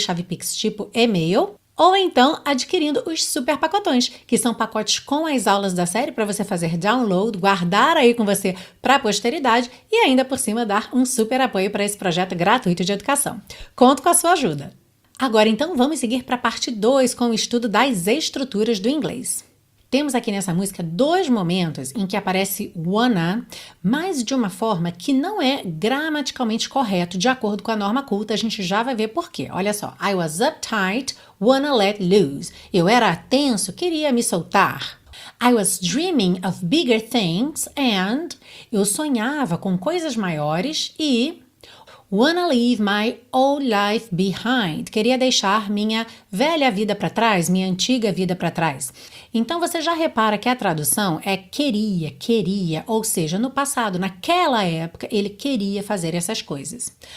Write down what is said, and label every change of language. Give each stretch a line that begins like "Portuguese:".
Portuguese: Chave Pix tipo e-mail. Ou então adquirindo os super pacotões, que são pacotes com as aulas da série para você fazer download, guardar aí com você para a posteridade e ainda por cima dar um super apoio para esse projeto gratuito de educação. Conto com a sua ajuda! Agora então vamos seguir para a parte 2 com o estudo das estruturas do inglês. Temos aqui nessa música dois momentos em que aparece wanna, mas de uma forma que não é gramaticalmente correto de acordo com a norma culta. A gente já vai ver por quê. Olha só.
English: I was uptight, wanna let loose.
Portuguese: Eu era tenso, queria me soltar.
English: I was dreaming of bigger things and...
Portuguese: Eu sonhava com coisas maiores e...
English: Wanna leave my old life behind.
Portuguese: Queria deixar minha velha vida para trás, minha antiga vida para trás. Então você já repara que a tradução é queria, queria, ou seja, no passado, naquela época, ele queria fazer essas coisas.